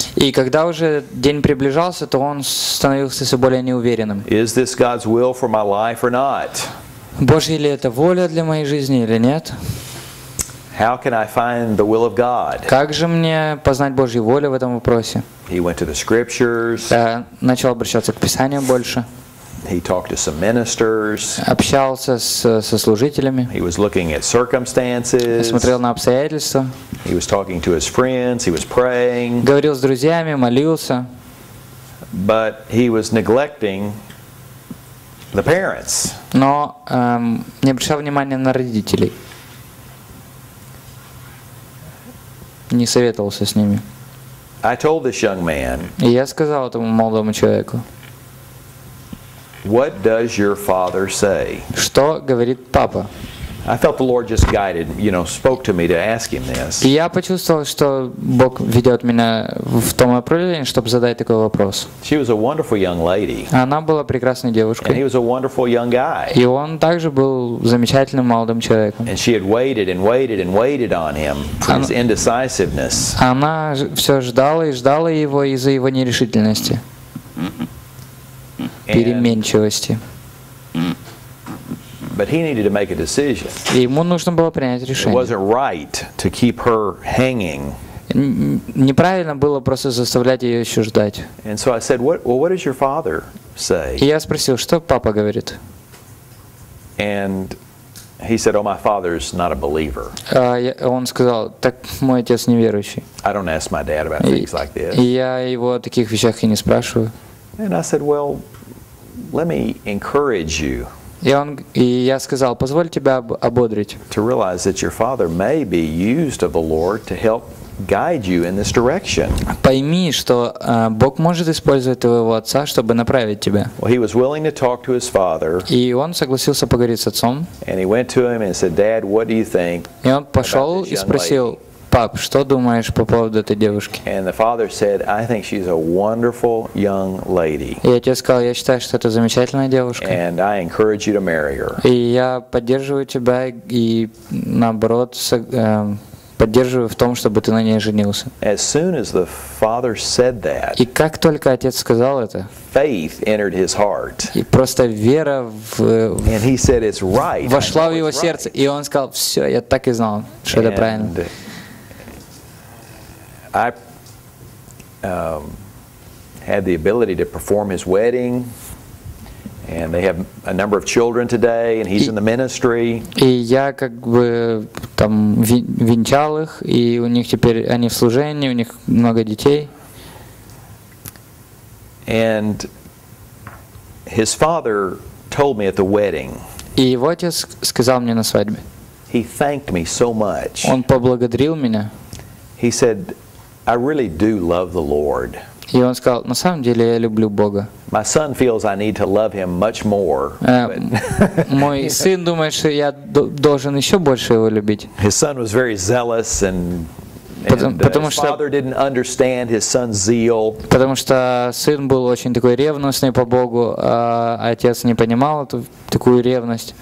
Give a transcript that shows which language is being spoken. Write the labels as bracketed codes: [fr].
[ru] И когда уже день приближался, то он становился все более неуверенным. [en] Is this God's will for my life or not? [ru] Божья ли это воля для моей жизни или нет? [en] How can I find the will of God? [ru] Как же мне познать Божью волю в этом вопросе? [en] He went to the scriptures. [ru] Начал обращаться к Писаниям больше. [en] He talked to some ministers. [ru] Общался со служителями. [en] He was looking at circumstances. [ru] Смотрел на обстоятельства. [en] He was talking to his friends. He was praying. [ru] Говорил с друзьями, молился. [en] But he was neglecting the parents. [ru] Но не обращал внимания на родителей. Не советовался с ними. [en] I told this young man. [ru] И я сказал этому молодому человеку. [en] What does your father say? [ru] Что говорит папа? [en] I felt the Lord just guided, you know, spoke to me to ask him this. [ru] Я почувствовал, что Бог ведет меня в том направлении, чтобы задать такой вопрос. [en] She was a wonderful young lady. [ru] Она была прекрасной девушкой. [en] And he was a wonderful young guy. [ru] И он также был замечательным молодым человеком. [en] And she had waited and waited and waited on him for his indecisiveness. [ru] Она все ждала и ждала его из-за его нерешительности. Переменчивости. [en] But he needed to make a decision. [ru] Ему нужно было принять решение. [en] It wasn't right to keep her hanging. [ru] Неправильно было просто заставлять ее еще ждать. [en] And so I said, what does your father say? [ru] И я спросил, что папа говорит? [en] And he said, oh, my father's not a believer. [ru] Он сказал, так мой отец неверующий. [en] I don't ask my dad about things like this. [ru] Я его о таких вещах и не спрашиваю. [en] And I said, well, let me encourage you. [ru] И я сказал, позволь тебя ободрить. [en] To realize that your father may be used of the Lord to help guide you in this direction. [ru] Пойми, что Бог может использовать твоего отца, чтобы направить тебя. [en] Well, he was willing to talk to his father. [ru] И он согласился поговорить с отцом. [en] And he went to him and said, Dad, what do you think? [ru] И он пошел и спросил, пап, что думаешь по поводу этой девушки? [en] And the father said, I think she's a wonderful young lady. [ru] И отец сказал, я считаю, что это замечательная девушка. [en] And I encourage you to marry her. [ru] И я поддерживаю тебя и наоборот поддерживаю в том, чтобы ты на ней женился. [en] As soon as the father said that, [ru] и как только отец сказал это, [en] faith entered his heart. [ru] И просто вера [en] and he said, it's right. [ru] Вошла в его сердце. И он сказал, все, я так и знал, что это правильно. [en] I had the ability to perform his wedding, and they have a number of children today, and he's in the ministry. [ru] И я как бы там венчал их, и у них теперь они в служении, у них много детей. [en] And His father told me at the wedding. [ru] И его отец сказал мне на свадьбе. [en] He thanked me so much. [ru] Он поблагодарил меня. [en] He said, "I really do love the Lord." [ru] И он сказал, на самом деле я люблю Бога. [en] My son feels I need to love him much more. [ru] Мой сын думает, что я должен еще больше его любить. [en] His son was very zealous and. [ru] Потому что сын был очень такой ревностный по Богу, а отец не понимал эту такую ревность.